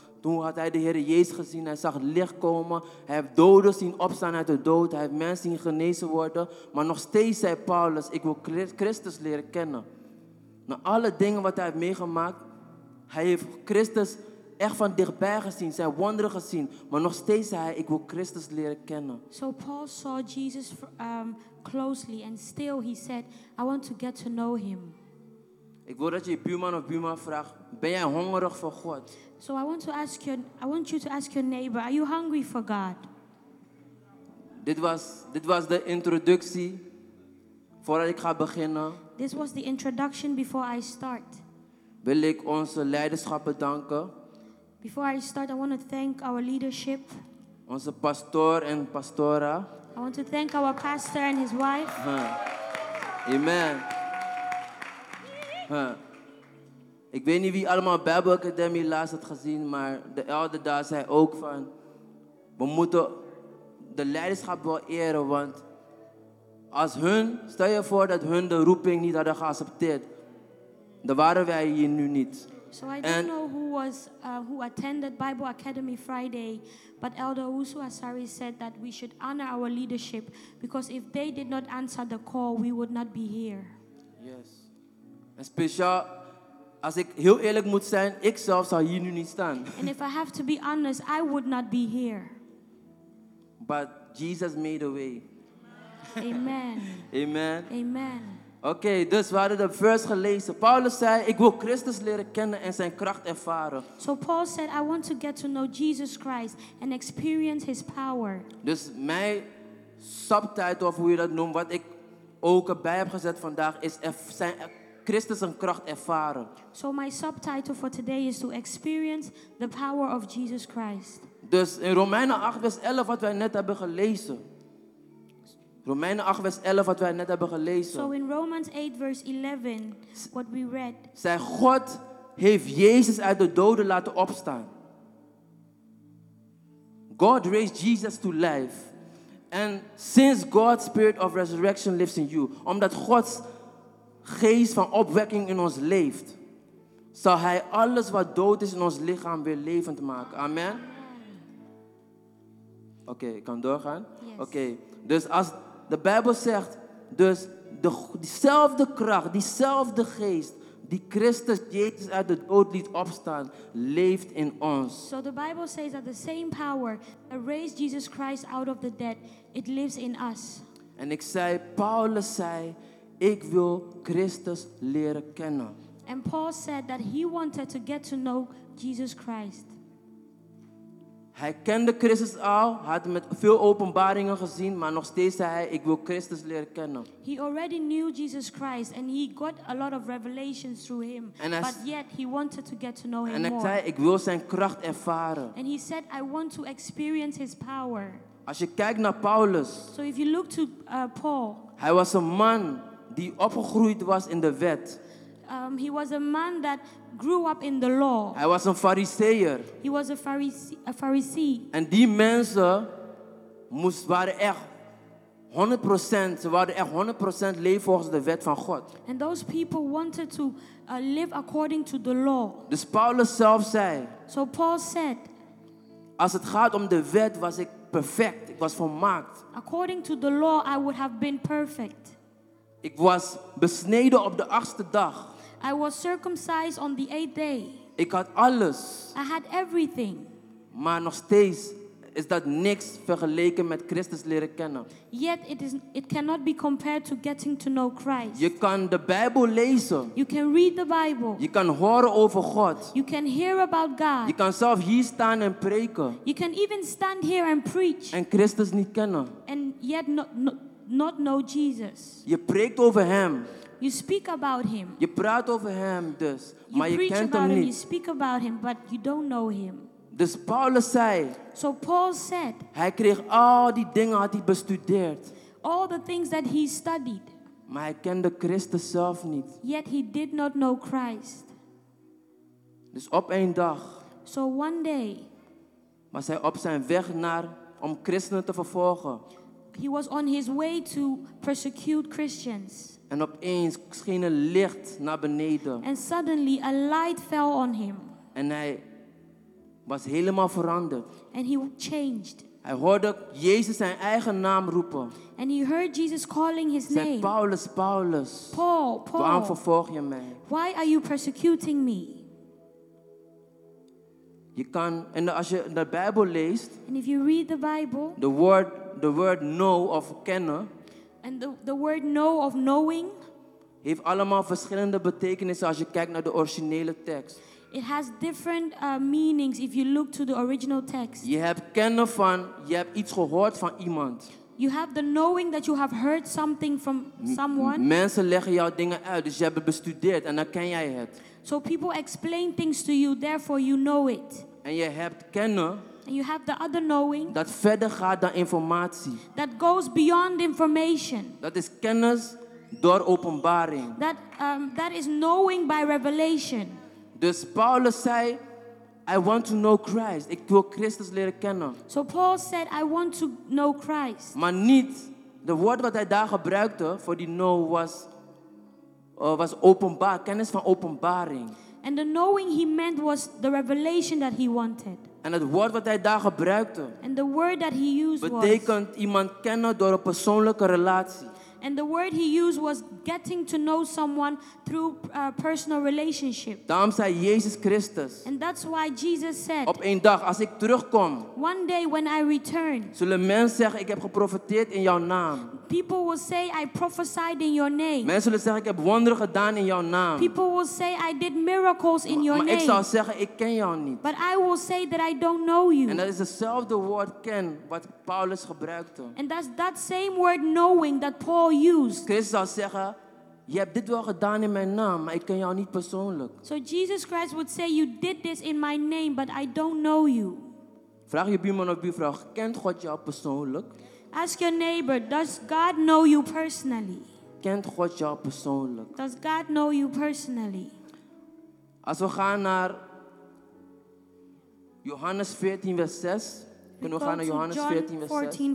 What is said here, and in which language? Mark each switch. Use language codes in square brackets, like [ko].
[nl] Toen had hij de Heere Jezus gezien. Hij zag licht komen. Hij heeft doden zien opstaan uit de dood. Hij heeft mensen zien genezen worden. Maar nog steeds zei Paulus, ik wil Christus leren kennen. Na alle dingen wat hij heeft meegemaakt, hij heeft Christus echt van dichtbij gezien. Zijn wonderen gezien. Maar nog steeds zei hij, ik wil Christus leren kennen. [en] So Paul saw Jesus closely and still he said, I want to get to know him. [nl] Ik wil dat je buurman of buurman vraagt, ben jij hongerig voor God? [en] So I want you to ask your neighbor, are you hungry for God? [nl] Dit was de introductie voordat ik ga beginnen. [en] This was the introduction before I start. [nl] Wil ik onze leiderschap bedanken. [en] Before I start, I want to thank our leadership. [nl] Onze pastoor en pastora. [en] I want to thank our pastor and his wife. Huh. Amen. Huh. [nl] Ik weet niet wie allemaal Bible Academy laatst had gezien, maar de elder daar zei ook van, we moeten de leiderschap wel eren, want als hun, stel je voor dat hun de roeping niet hadden geaccepteerd, dan waren wij hier nu niet. [en] So I don't know who was who attended Bible Academy Friday, but Elder Usu Asari said that we should honor our leadership, because if they did not answer the call, we would not be here. Yes. [nl] En speciaal, als ik heel eerlijk moet zijn, ik zelf zou hier nu niet staan. [en] And if I have to be honest, I would not be here. But Jesus made a way. Amen. Amen. Amen. [nl] Okay, dus we hadden de vers gelezen. Paulus zei, ik wil Christus leren kennen en zijn kracht ervaren. [en] So Paul said, I want to get to know Jesus Christ and experience his power. [nl] Dus mijn subtitle, of hoe je dat noemt, wat ik ook erbij heb gezet vandaag, is zijn Christus een kracht ervaren. [en] So my subtitle for today is to experience the power of Jesus Christ. [nl] Dus in Romeinen 8 vers 11 wat wij net hebben gelezen. Romeinen 8 vers 11 wat wij net hebben gelezen. [en] So in Romans 8 verse 11 what we read. [nl] Zij God heeft Jezus uit de doden laten opstaan. [en] God raised Jesus to life. And since God's spirit of resurrection lives in you, [nl] omdat God's geest van opwekking in ons leeft, zal hij alles wat dood is in ons lichaam weer levend maken. Amen. Oké, okay, ik kan doorgaan. [en] Yes. [nl] Oké, okay. Dus als de Bijbel zegt, dus diezelfde kracht, diezelfde geest die Christus Jezus uit de dood liet opstaan, leeft in ons. [en] So the Bible says that the same power that raised Jesus Christ out of the dead, it lives in us. [nl] En ik zei, Paulus zei, ik wil Christus leren kennen. [en] And Paul said that he wanted to get to know Jesus Christ. [nl] Hij kende Christus al, had met veel openbaringen gezien, maar nog steeds zei hij, ik wil Christus leren kennen. [en] He already knew Jesus Christ and he got a lot of revelations through him. But yet he wanted to get to know him more. [nl] En hij zei, ik wil zijn kracht ervaren. [en] And he said, I want to experience his power. [nl] Als je kijkt naar Paulus. [en] So if you look to Paul. [nl] Hij was een man die opgegroeid was in de wet. [en] He was a man that grew up in the law. [nl] Hij was een fariseer. [en] He was a Pharisee. [nl] En die mensen waren echt 100%. Ze waren echt 100% leven volgens de wet van God. [en] And those people wanted to live according to the law. [nl] Dus Paulus zelf zei. [en] So Paul said. [nl] Als het gaat om de wet was ik perfect. Ik was volmaakt. [en] According to the law I would have been perfect. [nl] Ik was besneden op de 8e dag. [en] I was circumcised on the 8th day. [nl] Ik had alles. [en] I had everything. [nl] Maar nog steeds is dat niks vergeleken met Christus leren kennen. [en] Yet it cannot be compared to getting to know Christ. [nl] Je kan de Bijbel lezen. [en] You can read the Bible. [nl] Je kan horen over God. [en] You can hear about God. [nl] Je kan zelf hier staan en preken. [en] You can even stand here and preach. [nl] En Christus niet kennen. [en] And yet not know Jesus. [nl] Je preekt over hem. [en] You speak about him. [nl] Je praat over hem dus, [en] you [nl] maar je kent hem niet. [en] You preach about him, you speak about him, but you don't know him. [nl] Dus Paulus zei. [en] So Paul said. [nl] Hij kreeg al die dingen had hij bestudeerd. [en] All the things that he studied. [nl] Maar hij kende Christus zelf niet. [en] Yet he did not know Christ. [nl] Dus op één dag. [en] So one day. [nl] Was hij op zijn weg naar om christenen te vervolgen. [en] He was on his way to persecute Christians. [nl] En opeens scheen een licht naar beneden. [en] And suddenly a light fell on him. [nl] En hij was helemaal veranderd. [en] And he changed. [nl] Hij hoorde Jezus zijn eigen naam roepen. [en] And he heard Jesus calling his name. [nl] Zei Paulus, Paulus. [en] Paul, Paul. [nl] Waarom vervolg je mij? [en] Why are you persecuting me? [nl] Je kan, en als je de Bijbel leest. [en] And if you read the Bible. The word know [nl] of kennen. [en] And the word know of knowing [nl] heeft allemaal verschillende betekenissen als je kijkt naar de originele tekst. [en] It has different meanings if you look to the original text. [nl] Je hebt kennen van, je hebt iets gehoord van iemand. [en] You have the knowing that you have heard something from someone. [nl] Mensen leggen jou dingen uit, dus je hebt het bestudeerd en dan ken jij het. [en] So people explain things to you, therefore you know it. [nl] En je hebt kennen. [en] And you have the other knowing. [nl] Dat verder gaat dan informatie. [en] That goes beyond information. [nl] Dat is kennis door openbaring. [en] That is knowing by revelation. [nl] Dus Paulus zei, [en] I want to know Christ. [nl] Ik wil Christus leren kennen. [en] So Paul said, I want to know Christ. [nl] Maar niet, de woord wat hij daar gebruikte voor die know was openbaar, kennis van openbaring. [en] And the knowing he meant was the revelation that he wanted. [nl] En het woord wat hij daar gebruikte. [en] And the word that he used [nl] betekent was, iemand kennen door een persoonlijke relatie. [en] And the word he used was getting to know someone through a personal relationship. [nl] Daarom zei Jezus Christus. [en] And that's why Jesus said. [nl] Op één dag als ik terugkom. [en] One day when I return. [nl] Zullen mensen zeggen ik heb geprofeteerd in jouw naam. [en] People will say I prophesied in your name. [nl] Mensen zullen zeggen ik heb wonderen gedaan in jouw naam. [en] People will say I did miracles in your name. [nl] Maar ik zal zeggen ik ken jou niet. [en] But I will say that I don't know you. [nl] En dat is hetzelfde woord ken wat Paulus gebruikte. [en] And that's that same word knowing that Paul used. [nl] Christus zal zeggen je hebt dit wel gedaan in mijn naam, maar ik ken jou niet persoonlijk. [en] So Jesus Christ would say you did this in my name, but I don't know you. [nl] Vraag je buurman of buurvrouw, kent God jou persoonlijk? [en] Ask your neighbor, does God know you personally? [nl] Kent God jou persoonlijk? [en] Does God know you personally? [nl] Als we gaan naar Johannes 14, vers 6. Kunnen we gaan naar Johannes 14, vers 14, 6?